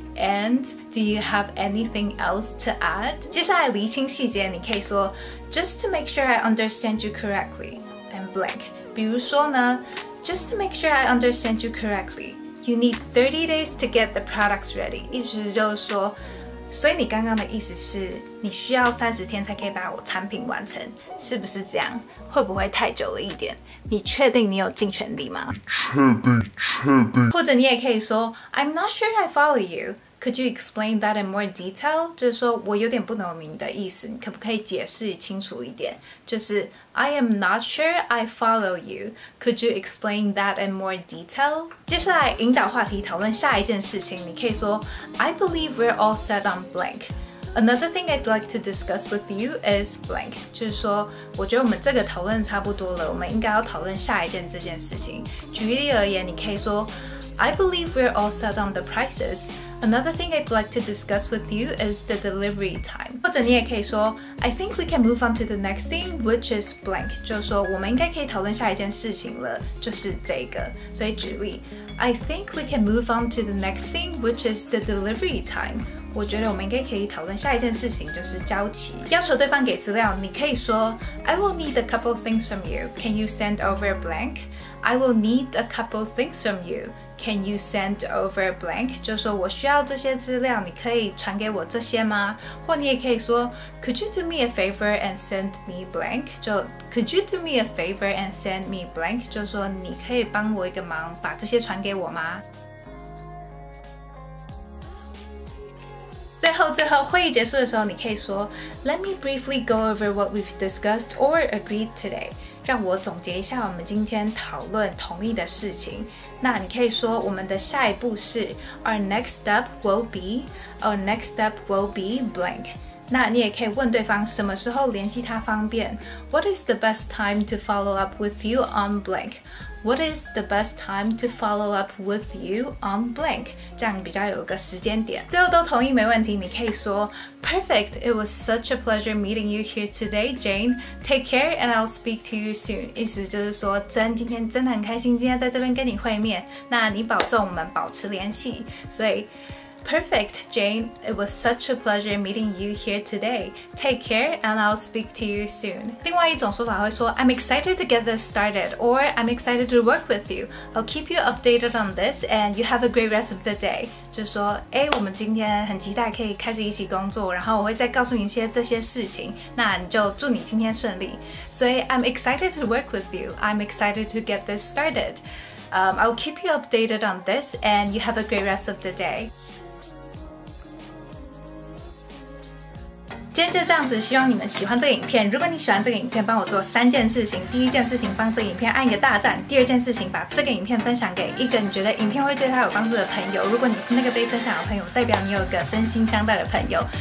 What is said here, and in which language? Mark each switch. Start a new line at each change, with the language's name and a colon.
English: And do you have anything else to add?
Chinese: 接下来厘清细节，你可以说
English: Just to make sure I understand you correctly and blank.
Chinese: 比如说呢
English: Just to make sure I understand you correctly, you need 30 days to get the products ready.
Chinese: 意思就是说所以你刚刚的意思是你需要30天才可以把我产品完成，是不是这样？会不会太久了一点？你确定你有尽全力吗？确定。或者你也可以说
English: I'm not sure I follow you. Could you explain that in more detail?
Chinese: 就是说我有点不懂你的意思，你可不可以解释清楚一点？就是
English: I am not sure I follow you. Could you explain that in more detail?
Chinese: 接下来引导话题讨论下一件事情，你可以说
English: I believe we're all set on blank. Another thing I'd like to discuss with you is blank.
Chinese: 就是说，我觉得我们这个讨论差不多了，我们应该要讨论下一件这件事情。举例而言，你可以说
English: I believe we're all set on the prices. Another thing I'd like to discuss with you is the delivery time.
Chinese: 或者你也可以说
English: I think we can move on to the next thing, which is blank.
Chinese: 就是说，我们应该可以讨论下一件事情了，就是这个。所以举例
English: I think we can move on to the next thing, which is the delivery time.
Chinese: 我觉得我们应该可以讨论下一件事情，就是交期。要求对方给资料，你可以说
English: I will need a couple things from you. Can you send over blank? I will need a couple things from you. Can you send over blank?
Chinese: 就是说我需要这些资料，你可以传给我这些吗？或你也可以说
English: Could you do me a favor and send me blank?
Chinese: 就
English: Could you do me a favor and send me blank?
Chinese: 就是说你可以帮我一个忙，把这些传给我吗？最后会议结束的时候，你可以说
English: Let me briefly go over what we've discussed or agreed today.
Chinese: 让我总结一下我们今天讨论同意的事情。那你可以说我们的下一步是
English: Our next step will be blank.
Chinese: 那你也可以问对方什么时候联系他方便。
English: What is the best time to follow up with you on blank? What is the best time to follow up with you on blank?
Chinese: 这样比较有个时间点。最后都同意没问题，你可以说
English: Perfect! It was such a pleasure meeting you here today, Jane. Take care and I'll speak to you soon.
Chinese: 意思就是说真今天真的很开心今天在这边跟你会面，那你保重，我们保持联系。所以
English: Perfect, Jane. It was such a pleasure meeting you here today. Take care and I'll speak to you soon.
Chinese: 另外一种说法会说
English: I'm excited to get this started or I'm excited to work with you. I'll keep you updated on this and you have a great rest of the day.
Chinese: 就说哎，我们今天很期待可以开始一起工作，然后我会再告诉你一些这些事情，那你就祝你今天顺利。
English: 所以 I'm excited to work with you. I'm excited to get this started. I'll keep you updated on this and you have a great rest of the day.
Chinese: 今天就这样子，希望你们喜欢这个影片。如果你喜欢这个影片，帮我做三件事情：第一件事情，帮这个影片按一个大赞；第二件事情，把这个影片分享给一个你觉得影片会对他有帮助的朋友。如果你是那个被分享的朋友，代表你有一个真心相待的朋友。